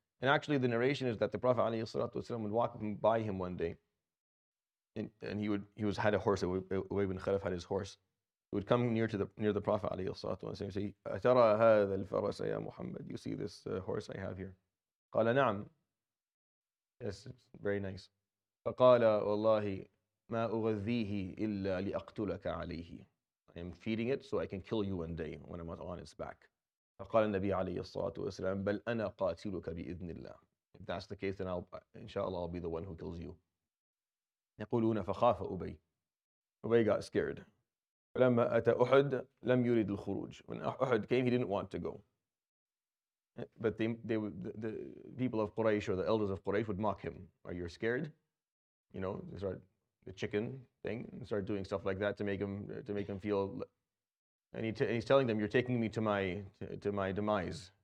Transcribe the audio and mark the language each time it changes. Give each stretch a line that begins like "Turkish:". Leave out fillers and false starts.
English: And actually the narration is that the Prophet alayhi salatu wasalam would walk by him one day, and he had a horse. Ubay ibn Khalaf had his horse. He would come near the Prophet alayhi salatu wasalam and say,
Arabic: أَتَرَى هَذَا الْفَرَسَ يَا مُحَمَّدُ,
English: you see this horse I have here.
Arabic: قَالَ نَعَمْ,
English: yes, it's very nice.
Arabic: فَقَالَ وَاللَّهِ ما أغذيه إلا لأقتلك عليه.
English: I am feeding it so I can kill you one day when I'm on its back.
Arabic: فقال النبي عليه الصلاة والسلام بل أنا قاتلك بإذن الله.
English: If that's the case, then I'll be the one who kills you.
Arabic: يقولون فخاف أبي.
English: أبي got scared.
Arabic: فلما أتى أحد لم يرد الخروج.
English: When أحد came, he didn't want to go. But the people of Quraysh, or the elders of Quraysh, would mock him. Are you scared? You know, they start the chicken thing and start doing stuff like that to make him feel. And he's telling them, you're taking me to my demise.